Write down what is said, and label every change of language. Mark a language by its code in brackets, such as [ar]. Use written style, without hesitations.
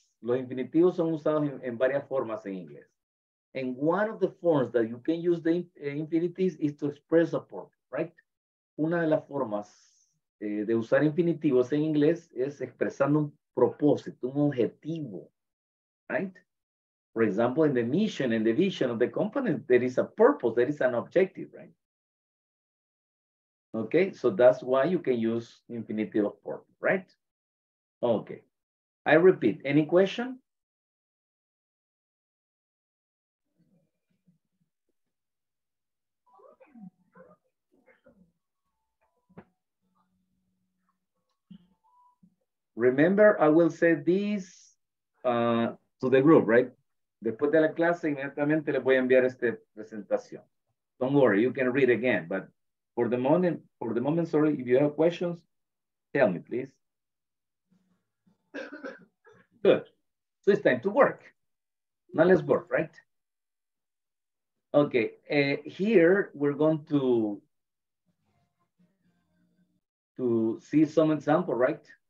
[es] Los infinitivos son usados en varias formas en inglés. [en] And one of the forms that you can use the infinitives is to express a purpose, right? [es] Una de las formas de usar infinitivos en inglés es expresando un propósito, un objetivo, right? [en] For example, in the mission and the vision of the company, there is a purpose, there is an objective, right? Okay, so that's why you can use infinitive of purpose, right? Okay, I repeat, any question? Remember, I will say this to the group, right? [es] Después de la clase, inmediatamente les voy a enviar esta presentación. [en] Don't worry, you can read again, but for the moment, sorry, if you have questions, tell me, please. Good. So it's time to work. Now let's work, right? Okay, here we're going to see some example, right?